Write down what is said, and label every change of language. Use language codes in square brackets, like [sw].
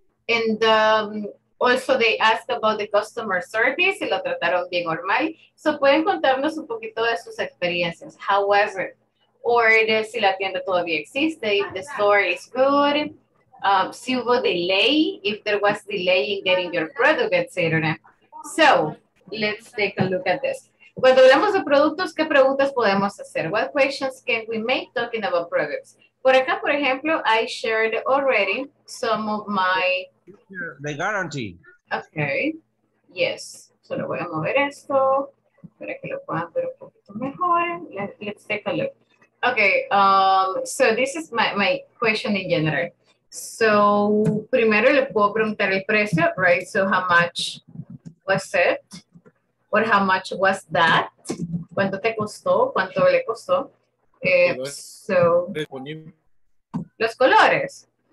[en] And also they ask about the customer service, [es] si lo trataron bien o mal. So pueden contarnos un poquito de sus experiencias, [en] how was it? Or [es] si la tienda todavía existe, [en] if the store is good. [es] Si hubo [en] delay, if there was delay in getting your product, etc. So, let's take a look at this. [es] Cuando hablamos de productos, ¿qué preguntas podemos hacer? [en] What questions can we make talking about products? [es] Por acá, por ejemplo, [en] I shared already some of my... The guarantee. Okay, yes. [es] Solo voy a mover esto para que lo puedan ver un poquito mejor. [en] Let's take a look. Okay, so this is my question in general. [es] So, primero le puedo preguntar el precio, right? [en] So, how much was it? Or how much was that? [es] ¿Cuánto te costó? ¿Cuánto le costó? So, los colores.